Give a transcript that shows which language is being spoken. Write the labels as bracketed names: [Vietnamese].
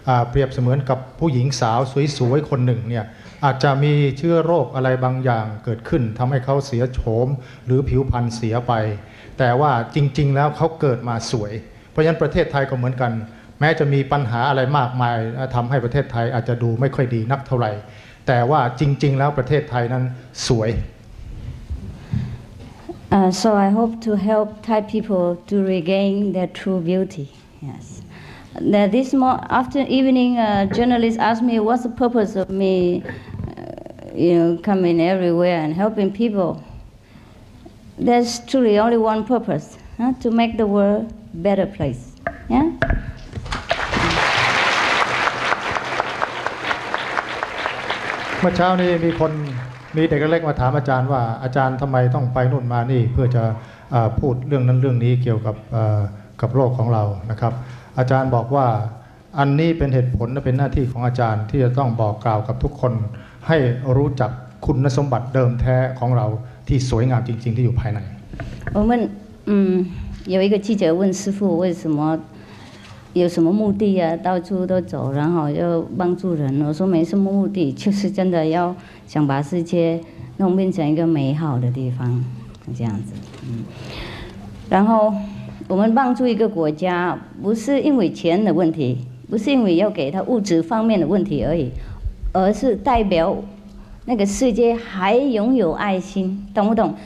[Thai] เปรียบเสมือนกับผู้หญิงสาวสวยๆคนหนึ่งเนี่ยอาจจะมีเชื้อโรคอะไรบางอย่างเกิดขึ้นทำให้เขาเสียโฉมหรือผิวพรรณเสียไปแต่ว่าจริงๆแล้วเขาเกิดมาสวยเพราะฉะนั้นประเทศไทยก็เหมือนกันแม้จะมีปัญหาอะไรมากมายทำให้ประเทศไทยอาจจะดูไม่ค่อยดีนักเท่าไหร่แต่ว่าจริงๆแล้วประเทศไทยนั้นสวย [English] So I hope to help Thai people to regain their true beauty. Yes. Now this evening, a journalist asked me what's the purpose of me. You know, coming everywhere and helping people. There's truly only one purpose, huh? To make the world a better place. Yeah? [Thai] เมื่อเช้านี้มีคนมีเด็กเล็กมาถามอาจารย์ว่าอาจารย์ทำไมต้องไปนู่นมานี่เพื่อจะพูดเรื่องนั้นเรื่องนี้เกี่ยวกับโลกของเรานะครับอาจารย์บอกว่าอันนี้เป็นเหตุผลและเป็นหน้าที่ของอาจารย์ที่จะต้องบอกกล่าวกับทุกคนให้รู้จักคุณสมบัติเดิมแท้ของเราที่สวยงามจริงๆที่อยู่ภายใน [Chinese] 我们有一个记者问师父为什么有什么目的啊到处都走然后要帮助人我说没什么目的就是真的要想把世界弄变成一个美好的地方这样子然后我们帮助一个国家不是因为钱的问题不是因为要给他物质方面的问题而已而是代表那个世界还拥有爱心，懂不懂？